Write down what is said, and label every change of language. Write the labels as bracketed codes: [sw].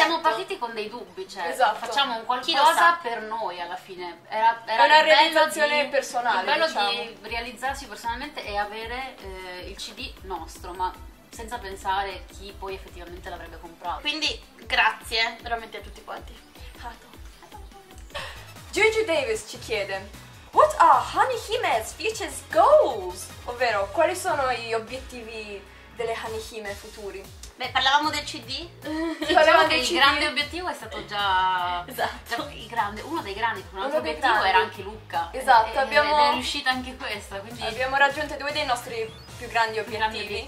[it] siamo partiti con dei dubbi, cioè esatto, facciamo un qualcosa per noi alla fine. Era una realizzazione personale. Il bello, diciamo, di realizzarsi personalmente e avere il CD nostro, ma senza pensare chi poi effettivamente l'avrebbe comprato. Quindi grazie veramente a tutti quanti. [en] Gigi Davis [it] ci chiede: [en] what are Honey Hime's future goals? [it] Ovvero, quali sono gli obiettivi delle Honey Hime futuri? Beh, parlavamo del CD? Diciamo che il grande obiettivo è stato già... Esatto. Uno dei grandi, un altro obiettivo era anche Lucca. Esatto, abbiamo... Ed è riuscita anche questa, quindi... Abbiamo raggiunto due dei nostri più grandi obiettivi.